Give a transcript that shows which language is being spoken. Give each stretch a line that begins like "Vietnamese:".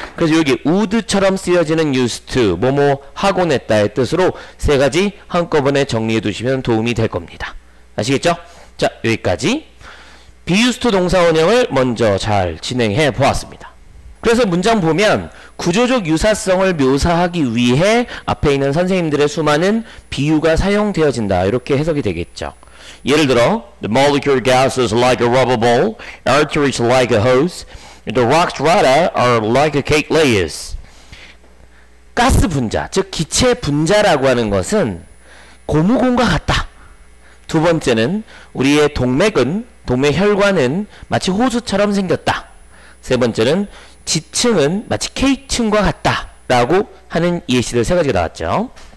Korean: 그래서 여기 would처럼 쓰여지는 used to, 뭐뭐 하곤 했다의 뜻으로 세 가지 한꺼번에 정리해 두시면 도움이 될 겁니다. 아시겠죠? 자, 여기까지 be used to 동사 원형을 먼저 잘 진행해 보았습니다. 그래서 문장 보면 구조적 유사성을 묘사하기 위해 앞에 있는 선생님들의 수많은 비유가 사용되어진다, 이렇게 해석이 되겠죠. 예를 들어
English: the molecule gas is like a rubber ball, artery is like a hose, the rock strata are like a cake layers.
Korean: 가스 분자, 즉 기체 분자라고 하는 것은 고무공과 같다. 두 번째는 우리의 동맥은, 동맥 혈관은 마치 호수처럼 생겼다. 세 번째는 지층은 마치 K층과 같다라고 하는 예시들 세 가지가 나왔죠.